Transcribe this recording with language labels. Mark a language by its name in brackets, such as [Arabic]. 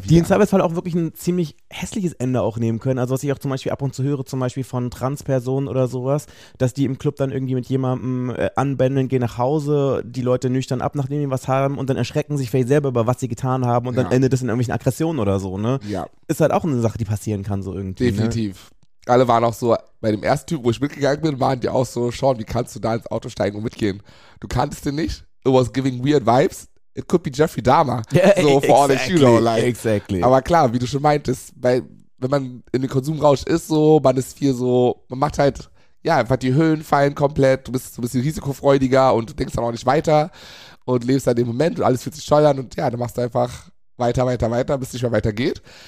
[German] die im Zweifelsfall auch wirklich ein ziemlich hässliches Ende auch nehmen können. Also was ich auch zum Beispiel ab und zu höre, zum Beispiel von Transpersonen oder sowas, dass die im Club dann irgendwie mit jemandem anbändeln, gehen nach Hause, die Leute nüchtern ab, nachdem sie was haben und dann erschrecken sich vielleicht selber über, was sie getan haben und dann endet es in irgendwelchen Aggressionen oder so, ne? Ja. Ist halt auch eine Sache, die passieren kann, so irgendwie. Definitiv. Ne? alle waren auch so, bei dem ersten Typ, wo ich mitgegangen bin, waren die auch so, Sean, wie kannst du da ins Auto steigen und mitgehen? Du kanntest den nicht? [English] It was giving weird vibes. It could be Jeffrey Dahmer. So for exactly, all the you know, like. Exactly. [German] Aber klar, wie du schon meintest, weil wenn man in den Konsumrausch ist, so, man ist viel so, man macht halt, ja, einfach die Höhen fallen komplett, du bist so ein bisschen risikofreudiger und du denkst dann auch nicht weiter und lebst dann den Moment und alles fühlt sich toll an und ja, dann machst du einfach weiter, bis es nicht mehr weitergeht.